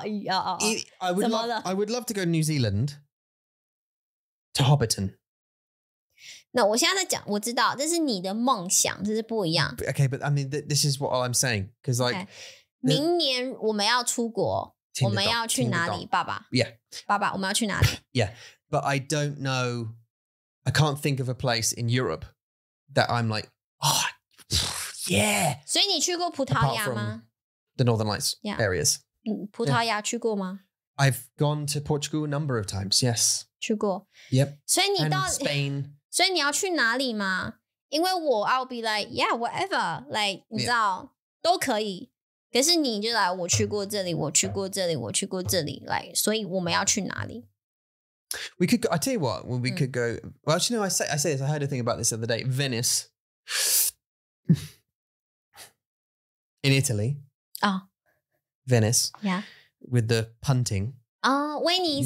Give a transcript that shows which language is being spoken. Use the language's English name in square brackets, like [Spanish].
[English] I would love to go to New Zealand to Hobbiton. [Chinese] 那我现在在讲，我知道，这是你的梦想，这是不一样。 [English] Okay, but I mean, this is what I'm saying, because like, okay. [Chinese] 明年我们要出国，我们要去哪里，爸爸？ [English] Yeah, [Chinese] 爸爸，我们要去哪里？ [English] Yeah, but I don't know, I can't think of a place in Europe that I'm like, oh, yeah. [Chinese] 所以你去过葡萄牙吗？ [English] The Northern Lights areas. [Chinese] 葡萄牙去过吗？ [English] I've gone to Portugal a number of times. Yes, [Chinese] 去过。 [English] Yep. [Chinese] 所以你到 [English] and Spain. [Chinese] 所以你要去哪里吗?因为我, [English] I'll be like, yeah, whatever. [Chinese] Like, 你知道, 都可以。可是你就来, 我去过这里, 我去过这里, 我去过这里。 Like, 所以我们要去哪里? [English] We could go, I tell you what, we could go, well, actually, no, I say this, I heard a thing about this the other day. Venice. In Italy. Oh. Venice. Yeah. With the punting. Oh, Venice.